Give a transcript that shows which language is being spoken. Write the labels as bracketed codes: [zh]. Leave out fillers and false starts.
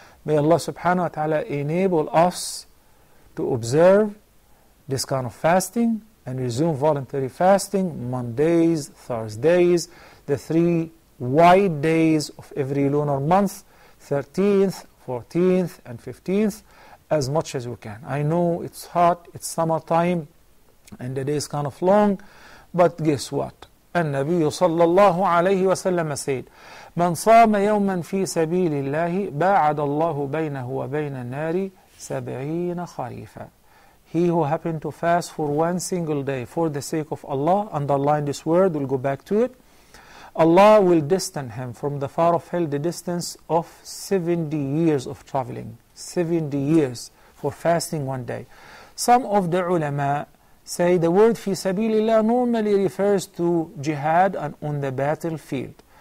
[en] May Allah subhanahu wa ta'ala enable us to observe this kind of fasting and resume voluntary fasting Mondays, Thursdays, the three wide days of every lunar month, 13th, 14th, and 15th, as much as we can. I know it's hot, it's summertime, and the day is kind of long, but guess what? [ar] النبي صلى الله عليه وسلم said, من صام يوما في سبيل الله باعد الله بينه وبين النار 70 خريفا. [en] He who happened to fast for one single day for the sake of Allah, underline this word, we'll go back to it. Allah will distance him from the far of hell the distance of 70 years of traveling. 70 years for fasting one day. Some of the ulama say the word fi sabilillah normally refers to jihad and on the battlefield.